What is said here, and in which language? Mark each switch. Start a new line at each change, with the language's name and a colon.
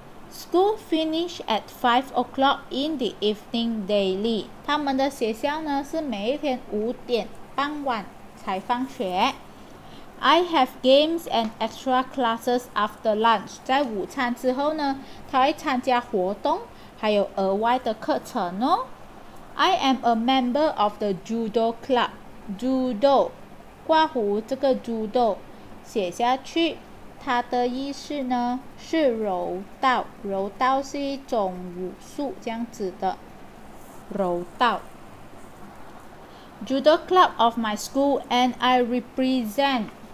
English: School finish at 5 o'clock in the evening daily.
Chinese: 他们的学校呢是每一天五点傍晚才放学。
English: I have games and extra classes after lunch.
Chinese: 在午餐之后呢，他会参加活动，还有额外的课程哦。
English: I am a member of the judo club.
Chinese: Judo, 括弧这个 judo 写下去，它的意思呢是柔道。柔道是一种武术这样子的，柔道。
English: Judo club of my school and I represent.